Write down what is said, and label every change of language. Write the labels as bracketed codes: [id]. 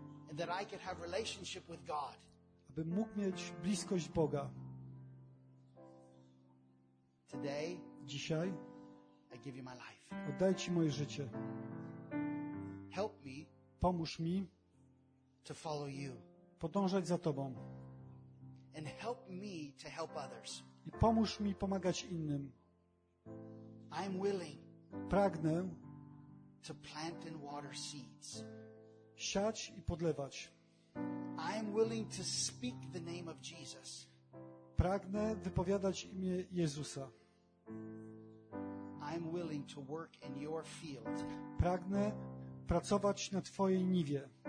[en] And that I could have relationship with God. [pl] Aby mógł mieć bliskość Boga. [en] Today, [pl] dzisiaj, [en] I give you my life. [pl] Oddaję Ci moje życie. [en] Help me. [pl] Pomóż mi. [en] To follow you. [pl] Podążać za Tobą. [en] And help me to help others. [pl] I pomóż mi pomagać innym. [en] I'm willing. [pl] Pragnę [en] to plant and water seeds. [pl] Siać i podlewać. [en] I'm willing to speak the name of Jesus. [pl] Pragnę wypowiadać imię Jezusa. [en] I'm willing to work in your field. [pl] Pragnę pracować na Twojej niwie.